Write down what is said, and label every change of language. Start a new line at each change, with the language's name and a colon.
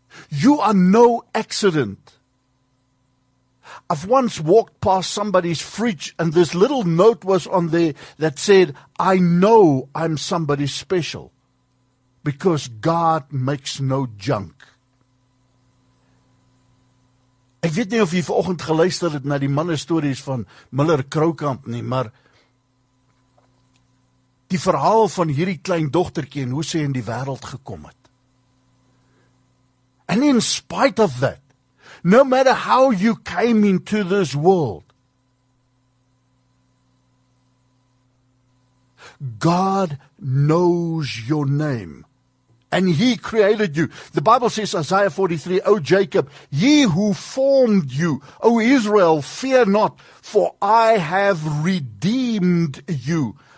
English: You are no accident. I've once walked past somebody's fridge and this little note was on there that said, I know I'm somebody special because God makes no junk.
Afrikaans: Ek weet nie of jy vanoggend geluister het na die manne stories van Miller Kroukamp nie, maar die verhaal van hierdie klein dogtertjie en hoe sy in die wêreld gekom het.
English: And in spite of that, no matter how you came into this world, God knows your name. And He created you. The Bible says, Isaiah 43, O Jacob, ye who formed you, O Israel, fear not, for I have redeemed you.